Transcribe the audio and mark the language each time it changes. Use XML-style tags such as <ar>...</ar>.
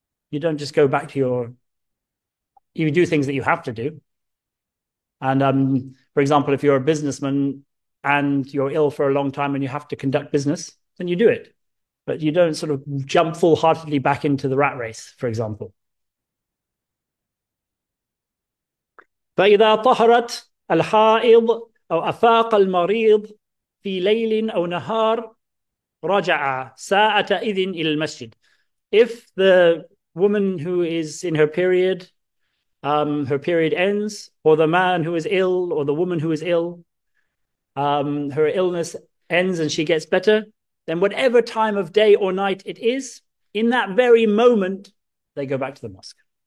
<en>You don't just go back to your, you do things that you have to do. And for example, if you're a businessman and you're ill for a long time and you have to conduct business, then you do it. But you don't sort of jump full-heartedly back into the rat race, for example.</en> <ar>فإذا طهرت الحائض أو أفاق المريض في ليل أو نهار رجع ساعة إذن إلى المسجد.</ar> <en>If the woman who is in her period ends, or the man who is ill, or the woman who is ill, her illness ends and she gets better, then whatever time of day or night it is, in that very moment, they go back to the mosque.</en>